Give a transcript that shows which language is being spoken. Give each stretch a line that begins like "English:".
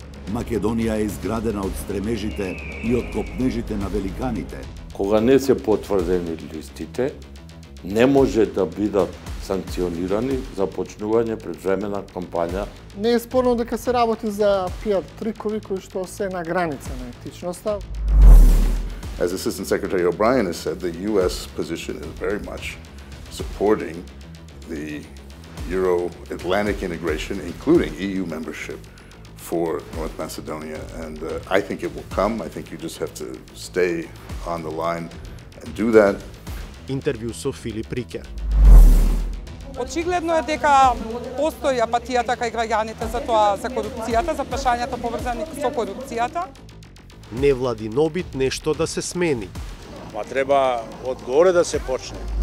Macedonian: Македонија е изградена од стремежите и од копнежите на великаните. Кога не се потврдени листите, не може да бидат санкционирани за почнување предвремена кампања. Не е спорно дека се работи за PR трикови кои што се на граница на етичноста.
English: As Assistant Secretary O'Brien has said, the US position is very much supporting the Euro-Atlantic integration, including EU membership for North Macedonia, and I think it will come. I think you just have to stay on the line and do that.
Macedonian: Интервју со Филип Рикер. Очигледно е дека постои апатијата кај граѓаните за тоа, за корупцијата, за прашањата поврзани со корупцијата. Невладин обид нешто да се смени. Ма треба одгоре да се почне.